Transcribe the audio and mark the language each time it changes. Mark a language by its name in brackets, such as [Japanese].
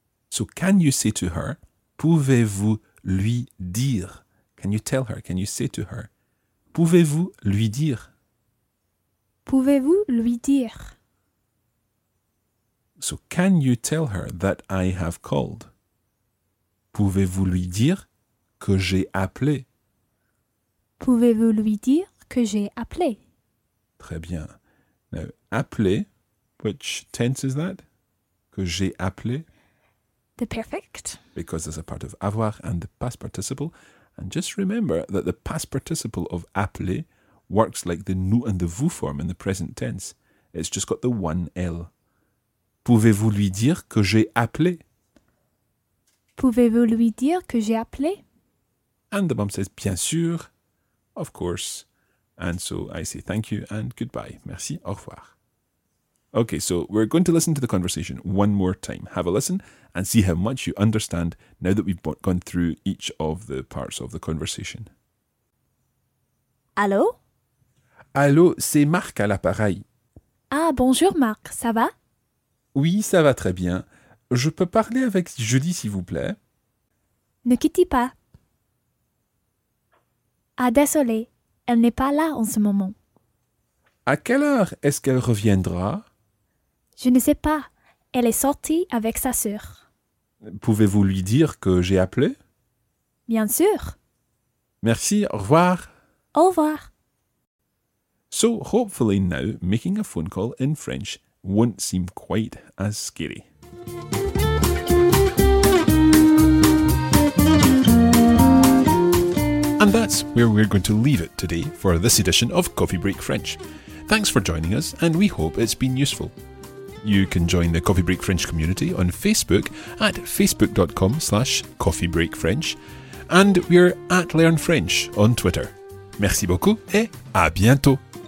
[English] So can you say to her, [French] pouvez-vous lui dire? [English] Can you tell her, can you say to her, [French] pouvez-vous lui dire? Pouvez-vous lui dire? [English] So can you tell her that I have called? [French] Pouvez-vous lui dire que j'ai appelé? Pouvez-vous lui dire que j'ai appelé? Très bien. [English] Now, appelé, which tense is that? [French] Que j'ai appelé? [English] The perfect. Because there's a part of avoir and the past participle. And just remember that the past participle of appelé works like the nous and the vous form in the present tense. It's just got the one L. [French] Pouvez-vous lui dire que j'ai appelé? Pouvez-vous lui dire que j'ai appelé? [English] And the mom says, [French] bien sûr, [English] of course. And so I say thank you and goodbye. [French] Merci, au revoir. [English] Okay, so we're going to listen to the conversation one more time. Have a listen and see how much you understand now that we've gone through each of the parts of the conversation. [French] Allô? Allô, c'est Marc à l'appareil. Ah, bonjour Marc, ça va? Oui, ça va très bien. Je peux parler avec Judy, s'il vous plaît? Ne quittez pas. Ah, désolé, elle n'est pas là en ce moment. À quelle heure est-ce qu'elle reviendra? Je ne sais pas. Elle est sortie avec sa sœur. Pouvez-vous lui dire que j'ai appelé? Bien sûr. Merci, au revoir. Au revoir. [English] So, hopefully now, making a phone call in French won't seem quite as scary. And that's where we're going to leave it today for this edition of Coffee Break French. Thanks for joining us, and we hope it's been useful. You can join the Coffee Break French community on Facebook at facebook.com/coffeebreakfrench, and we're at Learn French on Twitter. [French] Merci beaucoup et à bientôt!